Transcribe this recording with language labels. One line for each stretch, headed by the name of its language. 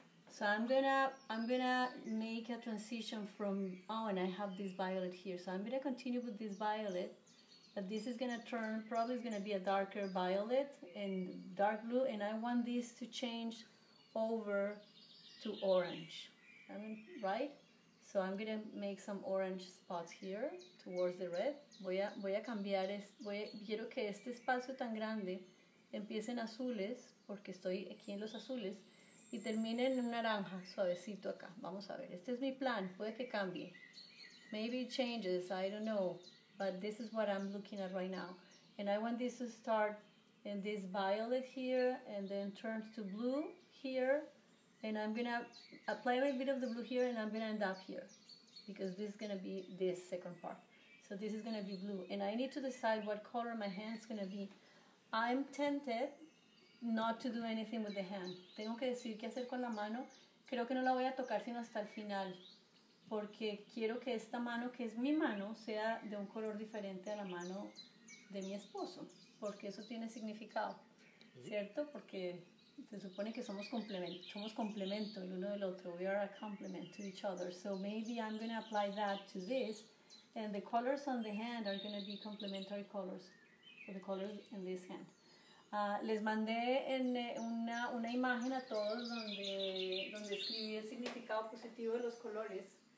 English: So I'm gonna make a transition from, oh, and I have this violet here, so I'm going to continue with this violet. This is going to turn, probably it's going to be a darker violet and dark blue, and I want this to change over to orange, right? So I'm going to make some orange spots here towards the red.
Spanish: Voy a cambiar, quiero que este espacio tan grande empiece en azules, porque estoy aquí en los azules, y termine en un naranja suavecito acá. Vamos a ver, este es mi plan, puede que cambie.
English: Maybe it changes, I don't know, but this is what I'm looking at right now. And I want this to start in this violet here, and then turn to blue here. And I'm going to apply a little bit of the blue here, and I'm going to end up here. Because this is going to be this second part. So this is going to be blue. And I need to decide what color my hand's going to be. I'm tempted not to do anything with the hand.
Spanish: Tengo que decir qué hacer con la mano. Creo que no la voy a tocar sino hasta el final. Porque quiero que esta mano, que es mi mano, sea de un color diferente a la mano de mi esposo. Porque eso tiene significado, ¿cierto? Porque se supone que somos complemento el uno del otro.
English: We are a complement to each other. So maybe I'm going to apply that to this. And the colors on the hand are going to be complementary colors for the colors in this hand.
Spanish: Les mandé en una imagen a todos donde escribí el significado positivo de los colores.